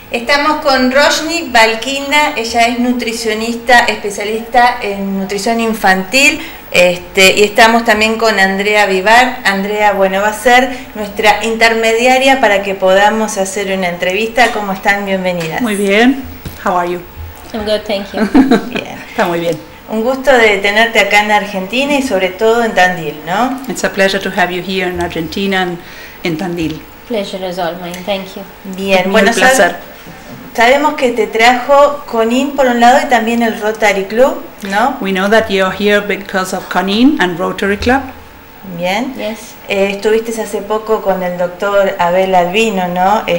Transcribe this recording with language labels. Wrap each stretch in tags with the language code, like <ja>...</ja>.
<es>Estamos con Roshni Balkinda, ella es nutricionista, especialista en nutrición infantil, y estamos también con Andrea Vivar. Andrea, bueno, va a ser nuestra intermediaria para que podamos hacer una entrevista. ¿Cómo están? Bienvenidas. Muy bien.</es> <en>How are you? I'm good, thank you.</en> <es>Está muy bien. Un gusto de tenerte acá en Argentina y sobre todo en Tandil, ¿no?</es> <en>It's a pleasure to have you here in Argentina and in Tandil. Pleasure is all mine, thank you.</en> <es>Bien, bueno, sabemos que te trajo Conin por un lado y también el Rotary Club, ¿no?</es> <en>We know that you're here because of Conin and Rotary Club.</en> <es>Bien.</es> <en>Yes.</en> <es>Estuviste hace poco con el doctor Abel Albino, ¿no?</es>